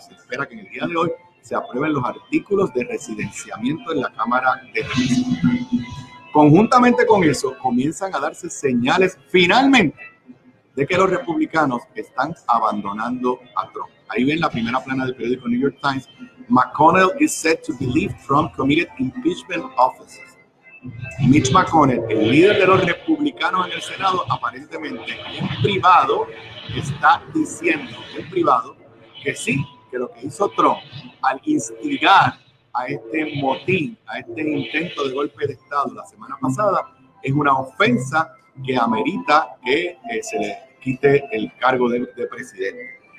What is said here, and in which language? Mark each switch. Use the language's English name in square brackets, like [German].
[Spanish] Se espera que en el día de hoy se aprueben los artículos de residenciamiento en la Cámara de Representantes. Conjuntamente con eso, comienzan a darse señales finalmente de que los republicanos están abandonando a Trump. Ahí ven la primera plana del periódico New York Times. [English] McConnell is said to believe Trump committed impeachment offenses. [Spanish] Mitch McConnell, el líder de los republicanos en el Senado, aparentemente en privado está diciendo en privado que sí, que lo que hizo Trump al instigar a este motín, a este intento de golpe de Estado la semana pasada, es una ofensa que amerita que se le quite el cargo de presidente.